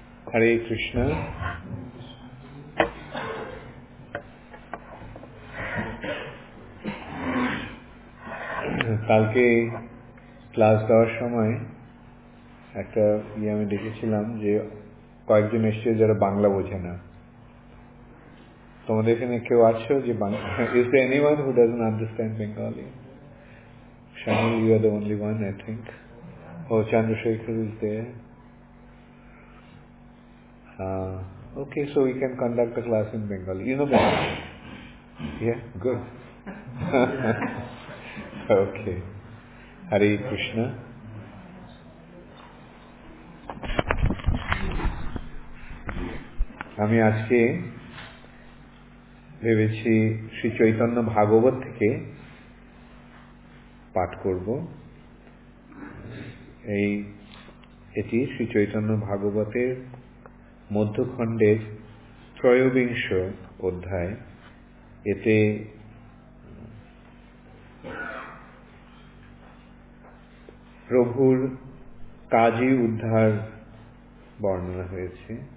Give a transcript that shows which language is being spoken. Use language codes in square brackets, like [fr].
[bn] হরে কৃষ্ণ, কালকে ক্লাস দেওয়ার সময় একটা আমি দেখেছিলাম যে কয়েকজন এসেছে যারা বাংলা বোঝে না। তোমাদের এখানে কেউ আছো যে [en] Is there anyone who doesn't understand Bengali? Shamil, you are the only one, I think. Oh, Chandrasekhar is there. Okay, so we can conduct the class in Bengali. You know Bengali? Yeah, good. Okay. Hare Krishna. [bn] Ami aajke bhebechi Sri Chaitanya Bhagavat theke পাঠ করব। এই এটি শ্রী চৈতন্য ভাগবতের মধ্যখণ্ডের ত্রয়োবিংশ অধ্যায়। এতে প্রভুর কাজী উদ্ধার বর্ণনা হয়েছে।